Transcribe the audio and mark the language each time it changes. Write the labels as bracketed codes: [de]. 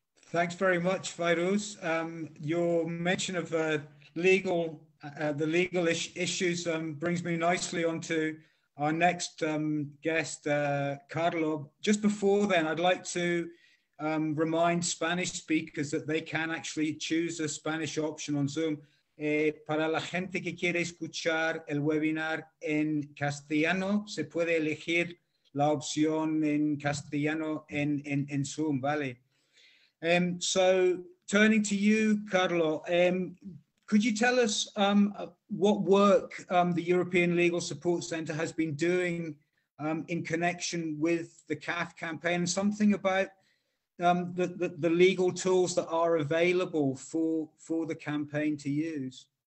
[en] Thanks very much, Fayrouz. Your mention of the legal issues brings me nicely onto our next guest, Carlo. Just before then, I'd like to remind Spanish speakers that they can actually choose a Spanish option on Zoom. [es] Para la gente que quiere escuchar el webinar en castellano, se puede elegir la opción en castellano en Zoom, ¿vale? [en] So, turning to you, Carlo, could you tell us what work the European Legal Support Centre has been doing in connection with the CAF campaign, and something about the legal tools that are available for the campaign to use?